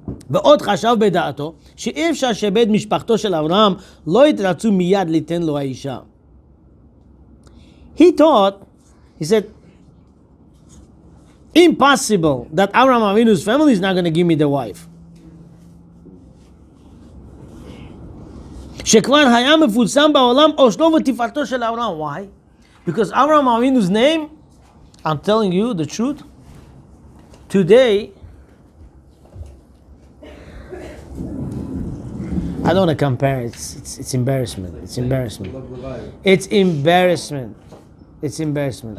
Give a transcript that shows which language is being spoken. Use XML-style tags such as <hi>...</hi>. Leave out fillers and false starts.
<he>ועוד חשב בדעתו שאי אפשר שבית משפחתו של אברהם לא יתרצו מיד לתן לו האישה.</he> <en>He thought, he said, impossible that Abraham Avinu's family is not going to give me the wife.</en> <he>שכבר היה מפורסם בעולם אושרו ותפארתו של אברהם.</he> <en>Why? Because Abraham Avinu's name, I'm telling you the truth, today, I don't want to compare. It's embarrassment. It's embarrassment. It's embarrassment. It's embarrassment.</en>